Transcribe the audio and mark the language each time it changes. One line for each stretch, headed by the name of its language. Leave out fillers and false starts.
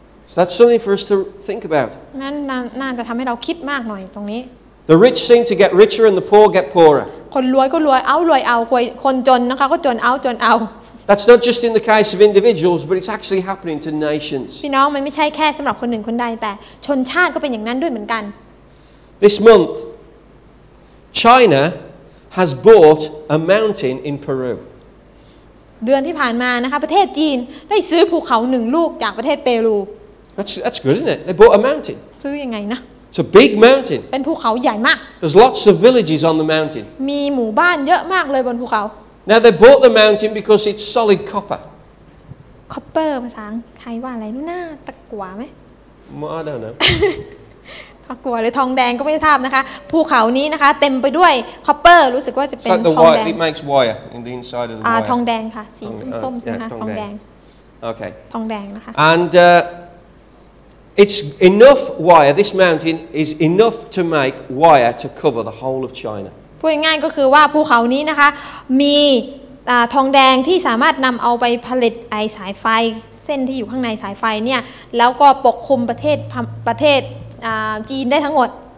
English: So that's something for us to think about.
Thai: นั่นน่าจะทำให้เราคิดมากหน่อยตรงนี้
English: The rich seem to get richer and the poor get poorer.
Thai: คนรวยก็รวยเอ้ารวยเอาคนจนนะคะก็จนเอ้าจนเอา
English: That's not just in the case of individuals but it's actually happening to nations.
Thai: พี่น้องมันไม่ใช่แค่สำหรับคนหนึ่งคนใดแต่ชนชาติก็เป็นอย่างนั้นด้วยเหมือนกัน
English: This month China has bought a mountain in Peru.
Thai: เดือนที่ผ่านมานะคะประเทศจีนได้ซื้อภูเขา1ลูกจากประเทศเปรู
English: That's good isn't it? They bought a mountain.
Thai: ซื้อยังไงนะ
English: It's a big mountain.
Thai: เป็นภูเขาใหญ่มาก
English: There's lots of villages on the mountain.
Thai: มีหมู่บ้านเยอะมากเลยบนภูเขา
English: Now they bought the mountain because it's solid copper.
Thai: Copper ภาษาไทยว่าอะไรหน้าตะกั่วไหม
English: I don't know.
Thai: ตะกั่วหรือทองแดงก็ไม่ทราบนะคะภูเขานี้นะคะเต็มไปด้วยคอปเปอร์รู้สึกว่าจะเป็นทองแดง
English: It makes wire in the inside of the wire.
Thai: ทองแดงค่ะสีส้มๆนะคะทองแดง
English: Okay.
Thai: ทองแดงนะคะ
English: AndIt's enough wire. This mountain is enough to make wire to cover the whole of China.
Thai: พูดง่ายก็คือว่าภูเขานี้นะคะมีทองแดงที่สามารถนำเอาไปผลิตไอสายไฟเส้นที่อยู่ข้างในสายไฟเนี่ยแล้วก็ปกคลุมประเทศจีนได้ทั้งหมด